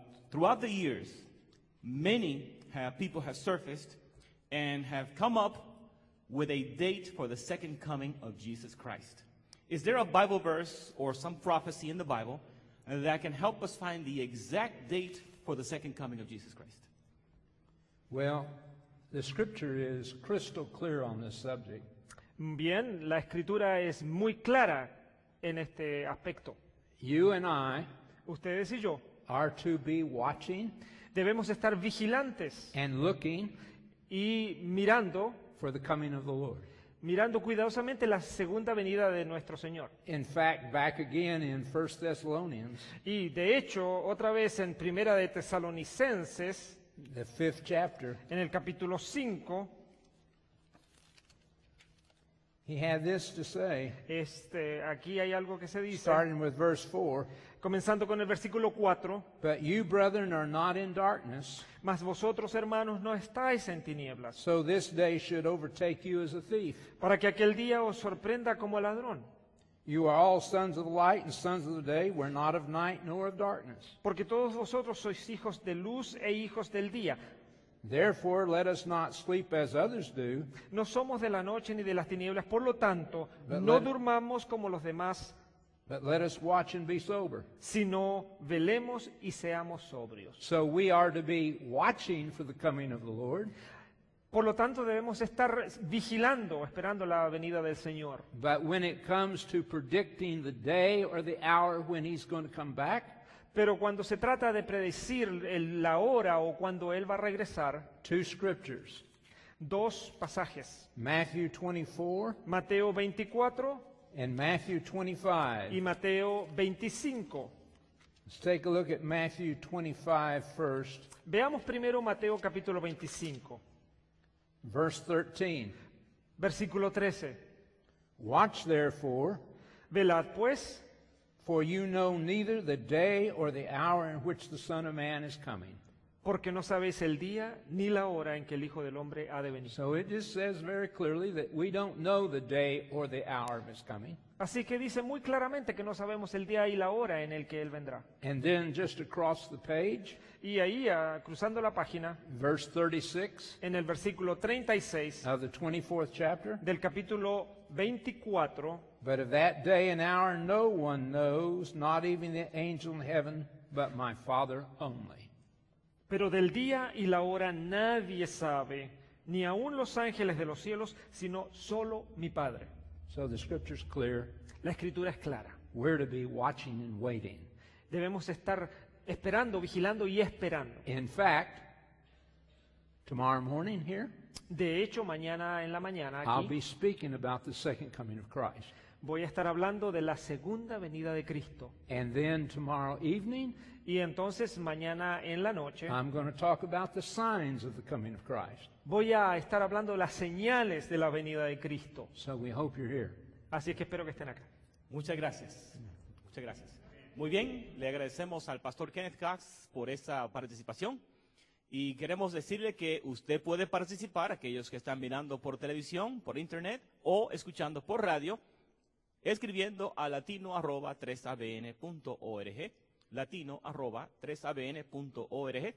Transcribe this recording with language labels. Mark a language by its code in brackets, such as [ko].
[en] Throughout the years, many people have surfaced and have come up with a date for the second coming of Jesus Christ. Is there a Bible verse or some prophecy in the Bible that can help us find the exact date for the second coming of Jesus Christ? Well, the scripture is crystal clear on this subject. [es] Bien, la escritura es muy clara en este aspecto. [en] You and I, [es] ustedes y yo, [en] are to be watching, [es] debemos estar vigilantes, [en] and looking, [es] y mirando, [en] for the coming of the Lord. [es] Mirando cuidadosamente la segunda venida de nuestro Señor. [en] In fact, back again in 1 Thessalonians. [es] Y de hecho, otra vez en Primera de Tesalonicenses, [en] the fifth chapter, [es] en el capítulo 5, [en] he had this to say. [es] Este, aquí hay algo que se dice. [en] Starting with verse 4. [es] Comenzando con el versículo 4. [en] But you brethren are not in darkness. [es] Mas vosotros hermanos no estáis en tinieblas. [en] So this day should overtake you as a thief. [es] Para que aquel día os sorprenda como ladrón. [en] You are all sons of the light and sons of the day. We're not of night nor of darkness. [es] Porque todos vosotros sois hijos de luz e hijos del día. [en] Therefore, let us not sleep as others do. [es] No somos de la noche ni de las tinieblas, por lo tanto, no durmamos como los demás. [en] But let us watch and be sober. [es] Sino velemos y seamos sobrios. [en] So we are to be watching for the coming of the Lord. [es] Por lo tanto, debemos estar vigilando, esperando la venida del Señor. [en] But when it comes to predicting the day or the hour when he's going to come back, [es] pero cuando se trata de predecir la hora o cuando Él va a regresar, [en] two scriptures, [es] dos pasajes, [en] Matthew 24, [es] Mateo 24 [en] and Matthew 25. [es] Y Mateo 25. [en] Let's take a look at Matthew 25 first. [es] Veamos primero Mateo capítulo 25. [en] Verse 13. [es] Versículo 13. [en] Watch therefore. [es] Velad pues. [en] For you know neither the day or the hour in which the Son of Man is coming. [es] Porque no sabéis el día ni la hora en que el Hijo del Hombre ha de venir. [en] So it just says very clearly that we don't know the day or the hour of his coming. [es] Así que dice muy claramente que no sabemos el día y la hora en el que él vendrá. [en] And then just across the page. [es] Y ahí, cruzando la página. [en] Verse 36. [es] En el versículo 36. [en] Of the 24th chapter. [es] Del capítulo 24. [en] But of that day and hour no one knows, not even the angel in heaven, but my Father only. [es] Pero del día y la hora nadie sabe, ni aun los ángeles de los cielos, sino solo mi Padre. [en] So the scripture's clear. [es] La escritura es clara. [en] We're to be watching and waiting. [es] Debemos estar esperando, vigilando y esperando. [en] In fact, Tomorrow morning here. [es] De hecho, mañana en la mañana aquí. [en] I'll be speaking about the second coming of Christ. [es] Voy a estar hablando de la segunda venida de Cristo. [en] And then tomorrow evening, [es] y entonces mañana en la noche, [en] I'm going to talk about the signs of the coming of Christ. [es] Voy a estar hablando de las señales de la venida de Cristo. [en] So we hope you're here. [es] Así es que espero que estén acá. Muchas gracias. Muchas gracias. Muy bien, le agradecemos al pastor Kenneth Cox por esa participación. Y queremos decirle que usted puede participar, aquellos que están mirando por televisión, por internet o escuchando por radio, escribiendo a latino@3abn.org, latino@3abn.org.